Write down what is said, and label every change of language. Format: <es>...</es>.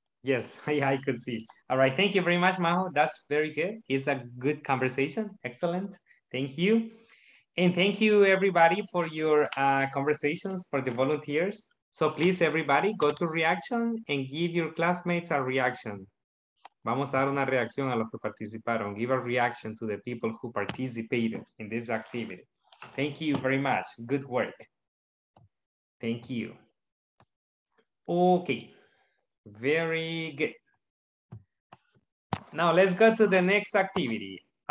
<en>Yes, yeah, I could see. All right, thank you very much, Majo. That's very good. It's a good conversation, excellent. Thank you. And thank you everybody for your conversations, for the volunteers. So please, everybody, go to reaction and give your classmates a reaction.</en> <es>Vamos a dar una reacción a los que participaron.</es> <en>Give a reaction to the people who participated in this activity. Thank you very much. Good work. Thank you. Okay. Very good. Now let's go to the next activity.</en>